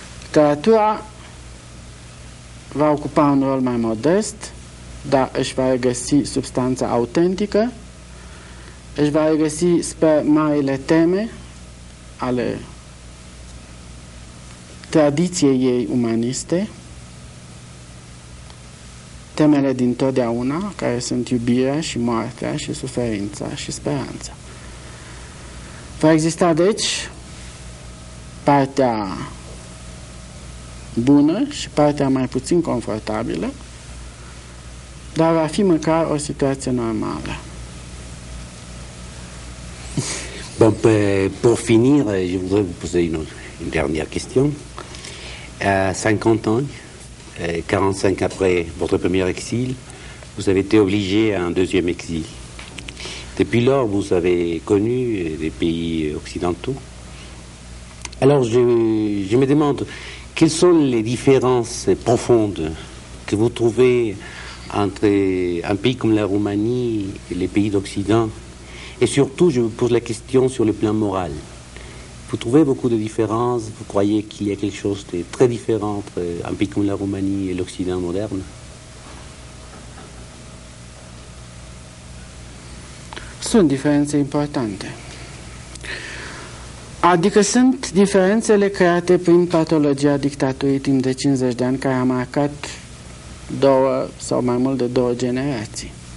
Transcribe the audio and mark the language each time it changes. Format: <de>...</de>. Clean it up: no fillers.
<ro>Literatura va ocupa un rol mai modest, dar își va regăsi substanța autentică, își va regăsi spre marile teme ale tradiției ei umaniste, temele din totdeauna, care sunt iubirea și moartea și suferința și speranța. Va exista, deci, partea bună și partea mai puțin confortabilă, dar va fi măcar o situație normală.</ro> <fr>Bun, pour finir, je voudrais vous poser une dernière question. À 50 ans, 45 après votre premier exil, vous avez été obligé à un deuxième exil. Depuis lors, vous avez connu des pays occidentaux. Alors, je me demande, quelles sont les différences profondes que vous trouvez entre un pays comme la Roumanie et les pays d'Occident? Et surtout, je vous pose la question sur le plan moral. Vous trouvez beaucoup de différences? Vous croyez qu'il y a quelque chose de très différent entre un pays comme la Roumanie et l'Occident moderne? Sont différences importantes.</fr> <ro>Adică sunt diferențele create prin patologia dictatorii timp de 50 de ani care a marcat două sau mai mult de două generații.</ro>